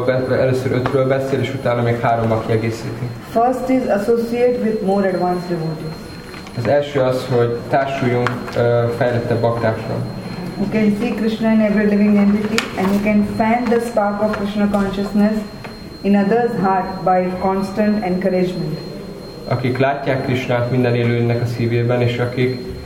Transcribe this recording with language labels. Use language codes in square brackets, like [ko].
[hu] Először 5-ről beszél, és utána még 3-mal kiegészíti. [en] First is associate with more advanced devotees. [hu] Az első az, hogy társuljunk fejlettebb baktákkal. [en] You can see Krishna in every living entity, and you can fan the spark of Krishna consciousness in others' heart by constant encouragement. [hu] Akik látják Krishnát minden élőnek a szívében, és akik